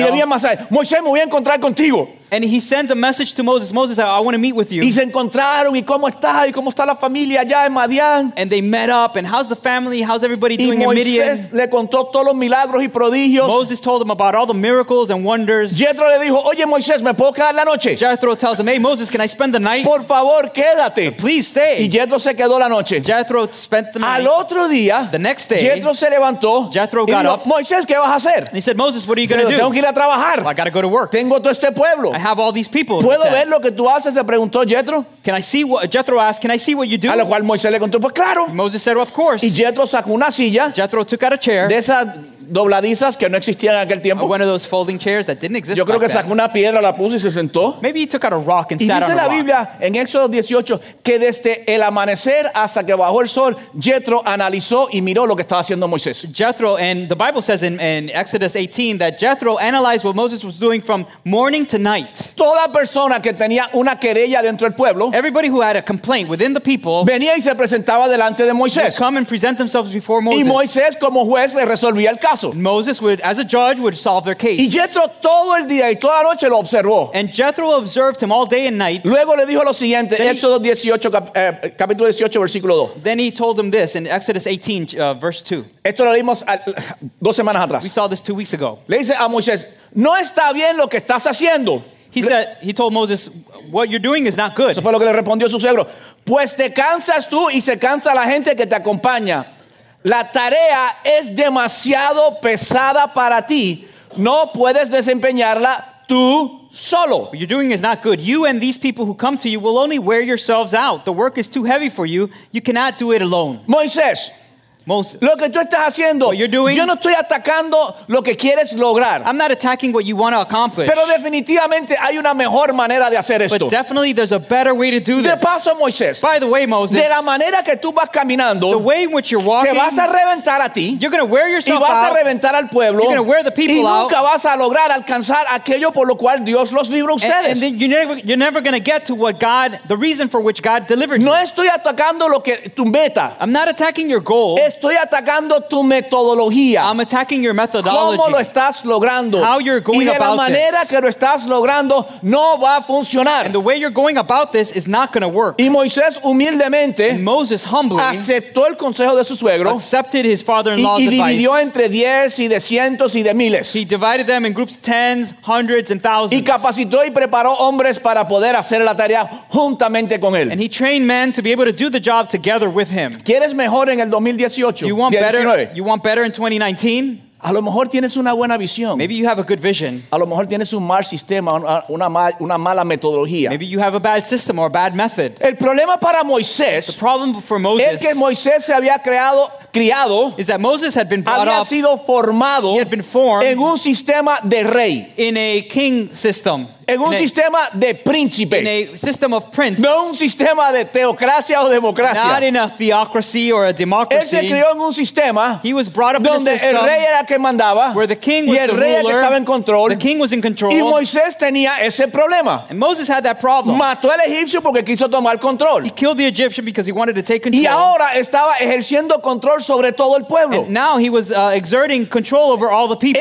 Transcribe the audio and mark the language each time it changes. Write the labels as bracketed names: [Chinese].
[Spanish] Y le viene más allá, Moisés, me voy a encontrar contigo. [English] And he sends a message to Moses. Moses, I want to meet with you. [Spanish] Y se encontraron, y cómo está, y cómo está la familia allá en Madian. [English] And they met up, and how's the family, how's everybody doing [Spanish] y Moisés [English] in Midian? [Spanish] Le contó todos los milagros y prodigios. [English] Moses told him about all the miracles and wonders. [Spanish] Jethro le dijo, oye Moisés, ¿me puedo quedar la noche? [English] Jethro tells him, hey Moses, can I spend the night? [Spanish] Por favor, quédate. But [English] please stay. [Spanish] Y Jethro se quedó la noche. [English] Jethro spent the night. [Spanish] Al otro día, [English] the next day, [Spanish] Jethro se levantó. [English] Jethro got [Spanish] y dijo, [English] up. [Spanish] Moisés, ¿qué vas a hacer? [English] And he said, Moses, what are you going to do? [Spanish] Tengo que ir a trabajar. [English] Well, I got to go to work. [Spanish] Tengo todo este pueblo. [English] Have all these people. [Spanish] ¿Puedo ver lo que tú haces? Le preguntó Jethro. [English] Can I see what Jethro asked? Can I see what you do? [Spanish] A lo cual Moisés le contó, pues claro. [English] Moses said, well, of course. [Spanish] Y Jethro sacó una silla. [English] Jethro took out a chair. [Spanish] De esa dobladizas que no existían en aquel tiempo. [English] One of those folding chairs that didn't exist. [Spanish] Yo creo que sacó una piedra, la puso y se sentó. [English] Maybe he took out a rock and sat on a rock. [Spanish] Y dice la Biblia en Éxodo 18 que desde el amanecer hasta que bajó el sol, Jethro analizó y miró lo que estaba haciendo Moisés. [English] Jethro, and the Bible says in Exodus 18 that Jethro analyzed what Moses was doing from morning to night. [Spanish] Toda persona que tenía una querella dentro del pueblo, [English] everybody who had a complaint within the people, [Spanish] venía y se presentaba delante de Moisés. [English] Come and present themselves before Moses. [Spanish] Y Moisés como juez le resolvía el caso. [English] Moses would, as a judge, would solve their case. [Spanish] Y Jethro todo el día y toda la noche lo observó. [English] And Jethro observed him all day and night. [Spanish] Luego le dijo lo siguiente, Éxodo 18, capítulo 18, versículo 2. [English] Then he told him this in Exodus 18, verse 2. [Spanish] Esto lo vimos dos semanas atrás. [English] We saw this 2 weeks ago. [Spanish] Le dice a Moisés, no está bien lo que estás haciendo. [English] He said, he told Moses, what you're doing is not good. [Spanish] Eso fue lo que le respondió su suegro. Pues te cansas tú y se cansa la gente que te acompaña. La tarea es demasiado pesada para ti. No puedes desempeñarla tú solo. [English] What you're doing is not good. You and these people who come to you will only wear yourselves out. The work is too heavy for you. You cannot do it alone. [Spanish] Moisés. [English] Moses. [Spanish] Lo que tú estás haciendo, yo no estoy atacando lo que quieres lograr. [English] I'm not attacking what you want to accomplish. [Spanish] Pero definitivamente hay una mejor manera de hacer esto. [English] But definitely there's a better way to do this. [Spanish] De paso, Moisés. [English] By the way, Moses. [Spanish] De la manera que tú vas caminando, [English] the way in which you're walking, [Spanish] te vas a reventar a ti. [English] You're going to wear yourself out. [Spanish] Y vas a reventar al pueblo. [English] You're going to wear the people out. [Spanish] Y nunca [English] out, [Spanish] vas a lograr alcanzar aquello por lo cual Dios los libró a ustedes. [English] And then you're never going to get to what God, the reason for which God delivered you. [Spanish] No estoy atacando lo que tu meta. [English] I'm not attacking your goal. [Spanish] Estoy atacando tu metodología. [English] I'm attacking your methodology. [Spanish] ¿Cómo lo estás logrando? [English] How you're going about this. [Spanish] Y de la manera que lo estás logrando no va a funcionar. [English] And the way you're going about this is not going to work. [Spanish] Y Moisés humildemente, [English] and Moses humbly, [Spanish] aceptó el consejo de su suegro, [English] accepted his father-in-law's advice. [Spanish] Y dividió entre 10 y de cientos y de miles. [English] He divided them in groups of tens, hundreds, and thousands. [Spanish] Y capacitó y preparó hombres para poder hacer la tarea juntamente con él. [English] And he trained men to be able to do the job together with him. [Spanish] ¿Quieres mejor en el 2019? [English] You want better in 2019? [Spanish] A lo mejor tienes una buena visión. [English] Maybe you have a good vision. [Spanish] A lo mejor tienes un mal sistema, una mala metodología. [English] Maybe you have a bad system or a bad method. [Spanish] El problema para Moisés, [English] the problem for Moses, [Spanish] es que Moisés se había criado, [English] is that Moses had been brought [Spanish] había sido formado, [English] he had been formed, [Spanish] en un sistema de rey, [English] in a king system. [Spanish] En un sistema de príncipe. [English] In a system of prince. [Spanish] No un sistema de teocracia o democracia. [English] Not in a theocracy or a democracy. [Spanish] Él se crió en un sistema. [English] He was brought up [Spanish] donde [English] in a system [Spanish] el rey era quien mandaba. [English] Where the king was [Spanish] y el rey [English] the ruler, [Spanish] que estaba en control. [English] The king was in control. [Spanish] Y Moisés tenía ese problema. [English] And Moses had that problem. [Spanish] Mató al egipcio porque quiso tomar control. [English] He killed the Egyptian because he wanted to take control. [Spanish] Y ahora estaba ejerciendo control sobre todo el pueblo. [English] And now he was exerting control over all the people.